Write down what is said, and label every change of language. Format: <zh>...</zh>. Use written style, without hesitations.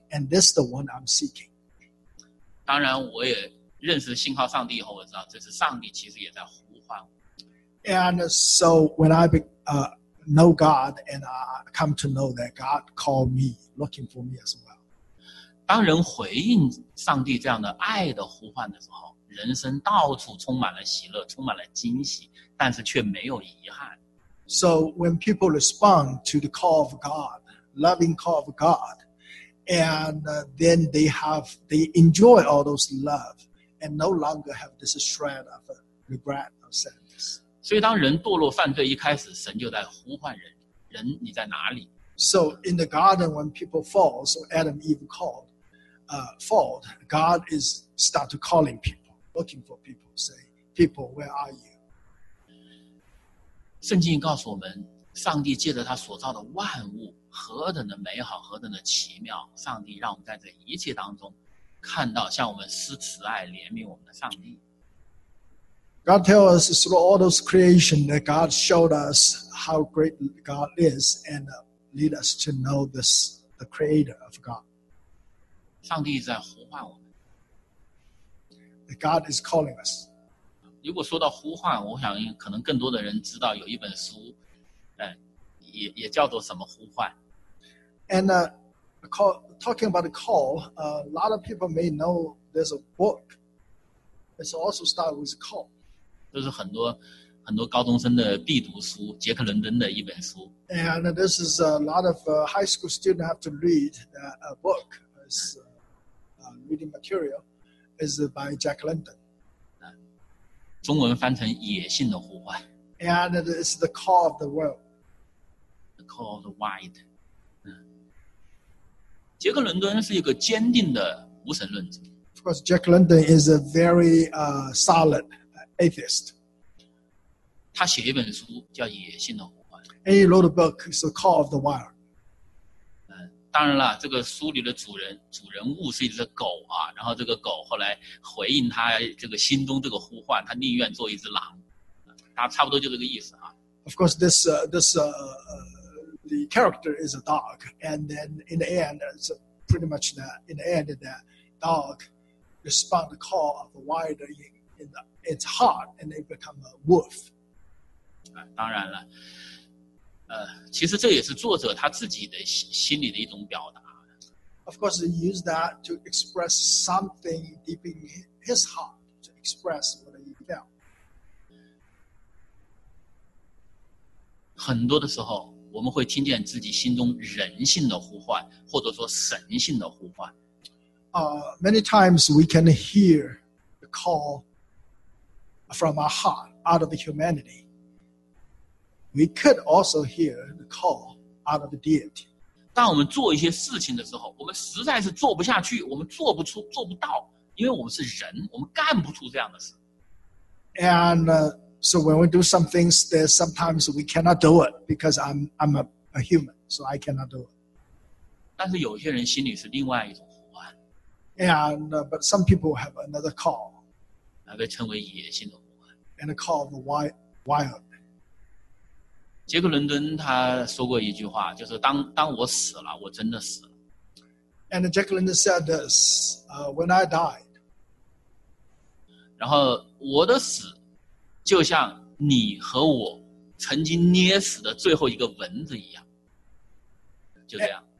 <en>and this is the one I'm seeking.</en> <zh>当然，我也认识信靠上帝以后，我知道这是上帝其实也在呼唤我。</zh> <en>And so when I know God and I come to know that God called me, looking for me as well.</en> <zh>当人回应上帝这样的爱的呼唤的时候，人生到处充满了喜乐，充满了惊喜，但是却没有遗憾。</zh> <en>So when people respond to the call of God, loving call of God, and then they enjoy all those love, and no longer have this shred of regret or sadness.</en> <zh>所以当人堕落犯罪一开始，神就在呼唤人：人，你在哪里？</zh> <en>So in the garden, when people fall, so Adam and Eve called, fall, God is start to calling people, looking for people, say, people, where are you?</en> <zh>圣经告诉我们，上帝借着他所造的万物何等的美好，何等的奇妙。上帝让我们在这一切当中看到向我们施慈爱怜悯我们的上帝。</zh> <en>God tells us through all those creation that God showed us how great God is and lead us to know this, the creator of God.</en> <zh>上帝在呼唤我们。</zh> <en>God is calling us.</en> <zh>如果说到呼唤，我想可能更多的人知道有一本书，也叫做什么呼唤。</zh> <en>And talking about the call, a lot of people may know there's a book. It's also started with call.</en> <zh>这是很多很多高中生的必读书，杰克伦敦的一本书。</zh> <en>And this is a lot of high school students have to read a book. It's reading material is by Jack London.</en> <zh>中文翻成野性的呼唤。</zh> <en>And it is the call of the world. The call of the wild.</en> <zh>杰克伦敦是一个坚定的无神论者。</zh> <en>Of course, Jack London is a very solid atheist.</en> <zh>他写一本书叫野性的呼唤。</zh> <en>And he wrote a book, it's the call of the wild.</en> <zh>当然了，这个书里的主人物是一只狗啊，然后这个狗后来回应他这个心中这个呼唤，他宁愿做一只狼，他差不多就这个意思啊。</zh> <en>Of course, this the character is a dog, and then in the end, it's pretty much that in the end that dog respond the call of the wild in its heart, and they become a wolf.</en> <zh>当然了。其实这也是作者他自己的心里的一种表达。</zh> <en>Of course, he used that to express something deep in his heart, to express what he felt.</en> <zh>很多的时候，我们会听见自己心中人性的呼唤，或者说神性的呼唤。</zh> <en>Many times we can hear the call from our heart out of humanity. We could also hear the call out of the deity.</en> <zh>当我们做一些事情的时候，我们实在是做不下去，我们做不出，做不到，因为我们是人，我们干不出这样的事。</zh> <en>And so when we do some things, there sometimes we cannot do it because I'm a human, so I cannot do it.</en> <zh>但是有些人心里是另外一种呼唤。</zh> <en>And but some people have another call.</en> <zh>那被称为野性的呼唤。</zh> <en>And a call of the wild.</en> <zh>杰克伦敦他说过一句话，就是当我死了，我真的死了。</zh> <en>And Jack London said this, when I died.</en> <zh>然后我的死就像你和我曾经捏死的最后一个蚊子一样，就这样。</zh>